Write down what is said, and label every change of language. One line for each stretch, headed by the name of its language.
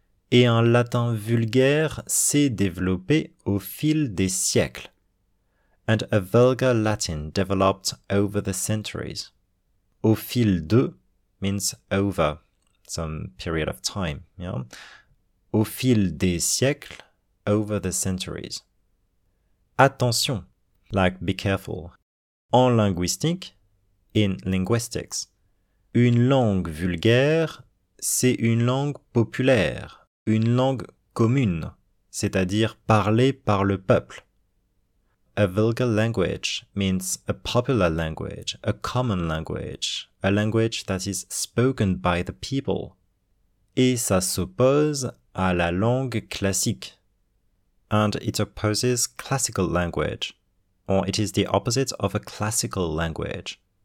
French: Et un latin vulgaire s'est développé au fil des siècles.
English: And a vulgar Latin developed over the centuries.
French: Au fil de
English: means over some period of time. Yeah?
French: Au fil des siècles,
English: over the centuries. Attention, like be careful.
French: En linguistique,
English: in linguistics,
French: une langue vulgaire, c'est une langue populaire, une langue commune, c'est-à-dire parlée par le peuple.
English: A vulgar language means a popular language, a common language, a language that is spoken by the people.
French: Et ça s'oppose à la langue classique.
English: And it opposes classical language, or it is the opposite of a classical language.